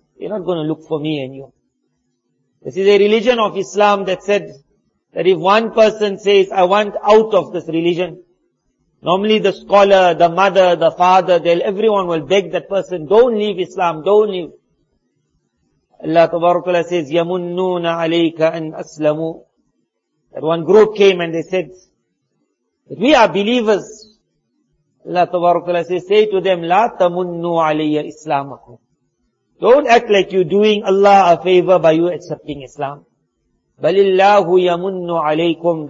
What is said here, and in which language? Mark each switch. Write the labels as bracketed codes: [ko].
[en] You're not going to look for me and you. This is a religion of Islam that said that if one person says, I want out of this religion, normally the scholar, the mother, the father, everyone will beg that person, don't leave Islam, don't leave. Allah Tabarakala says, [ar] يَمُنُّونَ عَلَيْكَ أَنْ أَسْلَمُوا. [en] That one group came and they said, that we are believers. Allah Tabarakala says, say to them, [ar] لَا تَمُنُّوا عَلَيَّ إِسْلَامَكُمْ. [en] Don't act like you're doing Allah a favor by you accepting Islam. [ar] بَلِ اللَّهُ يَمُنُّ عَلَيْكُمْ.